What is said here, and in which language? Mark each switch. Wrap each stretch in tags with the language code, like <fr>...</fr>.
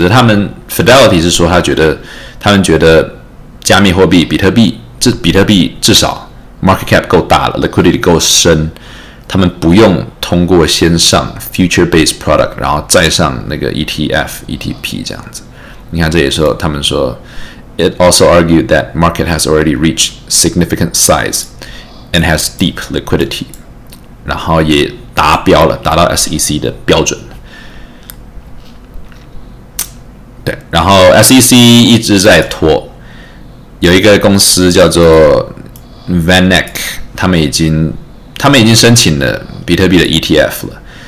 <zh>只是他们 Fidelity 是说他们觉得加密货币比特币至少 market cap 够大了， liquidity 够深，他们不用通过先上 future based product 然后再上那个 ETF ETP 这样子。你看这也说他们说</zh> <en>It also argued that market has already reached significant size and has deep liquidity.</en> <zh>然后也达标了，达到 SEC 的标准。对，然后 SEC 一直在拖，有一个公司叫做 VanEck， 他们已经申请了比特币的 ETF 了。</zh>